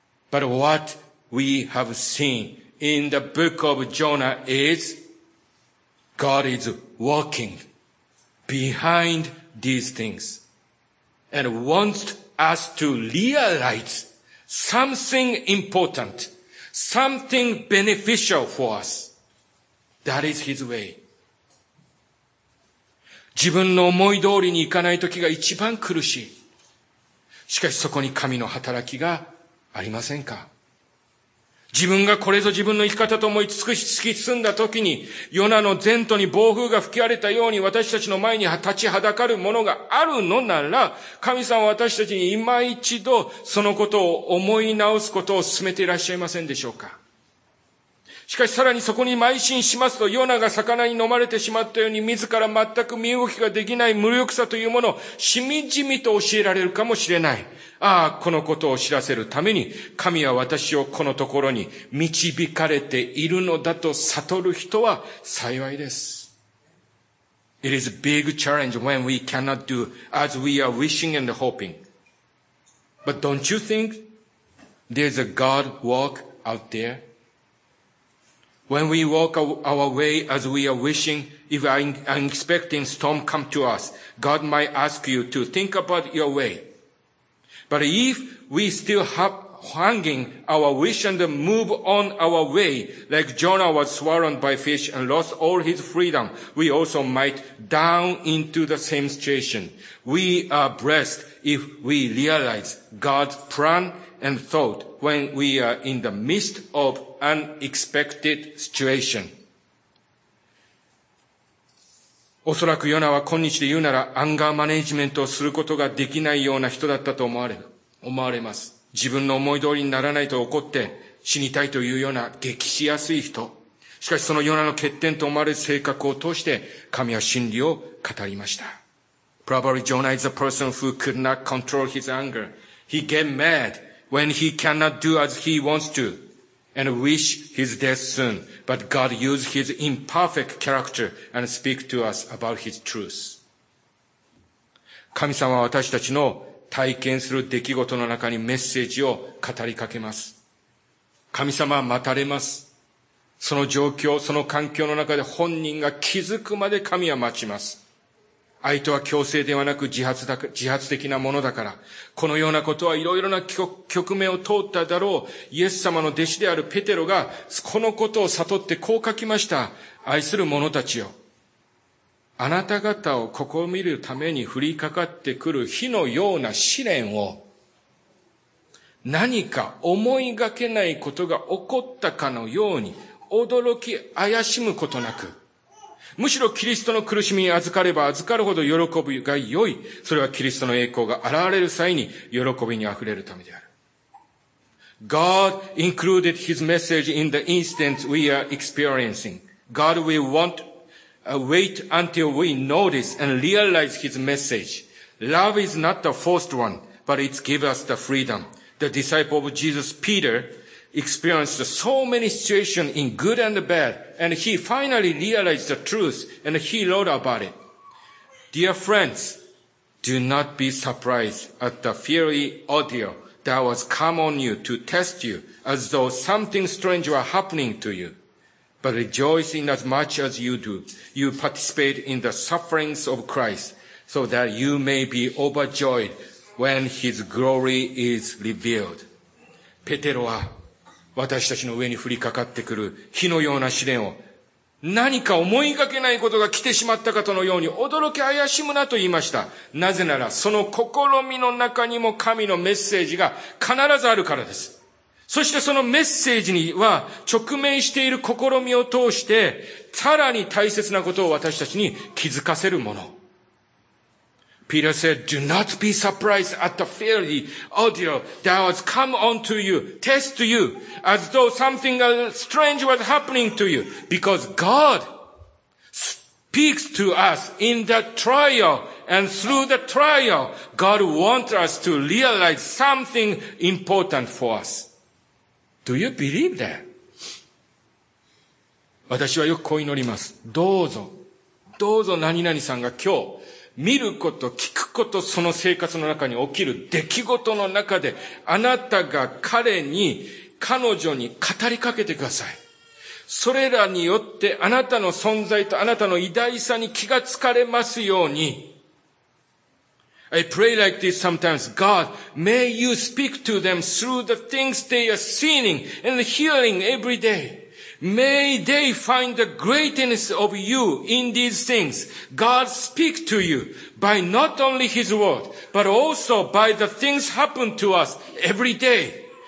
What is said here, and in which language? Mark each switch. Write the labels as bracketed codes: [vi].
[en] But what we have seen in the book of Jonah is God is working behind these things and wants us to realize something important, something beneficial for us. That is his way. [ja] 自分の思い通りにいかない時が一番苦しい。しかしそこに神の働きがありませんか？自分がこれぞ自分の生き方と思い尽くし突き進んだ時に、ヨナの前途に暴風が吹き荒れたように私たちの前に立ちはだかるものがあるのなら、神さんは私たちに今一度そのことを思い直すことを進めていらっしゃいませんでしょうか。しかしさらにそこに邁進しますと、ヨナが魚に飲まれてしまったように自ら全く身動きができない無力さというものをしみじみと教えられるかもしれない。ああ、このことを知らせるために神は私をこのところに導かれているのだと悟る人は幸いです。 [en] It is a big challenge when we cannot do as we are wishing and hoping. But don't you think there's a God walk out there? When we walk our way as we are wishing, if an unexpected storm come to us, God might ask you to think about your way. But if we still have hanging our wish and move on our way, like Jonah was swallowed by fish and lost all his freedom, we also might down into the same situation. We are blessed if we realize God's plan and thought when we are in the midst of unexpected situation. [ja] おそらくヨナは今日で言うならアンガーマネジメントをすることができないような人だったと思われます。自分の思い通りにならないと怒って死にたいというような激しやすい人。しかしそのヨナの欠点と思われる性格を通して神は真理を語りました。 [en] Probably Jonah is a person who could not control his anger. He get mad. When he cannot do as he wants to and wish his death soon, but God used his imperfect character and speak to us about his truth. [ja] 神様は私たちの体験する出来事の中にメッセージを語りかけます。神様は待たれます。その状況、その環境の中で本人が気づくまで神は待ちます。愛とは強制ではなく自発的なものだから、このようなことはいろいろな局面を通っただろう。イエス様の弟子であるペテロがこのことを悟ってこう書きました。愛する者たちよ。あなた方をここを見るために降りかかってくる火のような試練を、何か思いがけないことが起こったかのように驚き怪しむことなく、むしろキリストの苦しみに預かれば預かるほど喜びが良い。それはキリストの栄光が現れる際に喜びに溢れるためである。 [en] God included his message in the instance we are experiencing. God will want to wait until we notice and realize his message. Love is not the forced one, but it gives us the freedom. The disciple of Jesus, Peter,experienced so many situations in good and bad, and he finally realized the truth, and he wrote about it. Dear friends, do not be surprised at the fiery ordeal that was come on you to test you as though something strange were happening to you. But rejoice in as much as you do. You participate in the sufferings of Christ so that you may be overjoyed when his glory is revealed. [ja] ペテロは私たちの上に降りかかってくる火のような試練を何か思いがけないことが来てしまったかとのように驚き怪しむなと言いました。なぜならその試みの中にも神のメッセージが必ずあるからです。そしてそのメッセージには直面している試みを通してさらに大切なことを私たちに気づかせるもの。 [en] Peter said, "Do not be surprised at the fiery ordeal that has come onto you, test you, as though something strange was happening to you, because God speaks to us in the trial, and through the trial, God wants us to realize something important for us." Do you believe that? [ja] 私はよくこう祈ります。どうぞ、どうぞ何々さんが今日、見ること、聞くこと、その生活の中に起きる出来事の中で、あなたが彼に、彼女に語りかけてください。それらによって、あなたの存在とあなたの偉大さに気がつかれますように。 [en] I pray like this sometimes. God, may you speak to them through the things they are seeing and hearing every day. May they find the greatness of you in these things. God speaks to you by not only his word, but also by the things happen to us every day.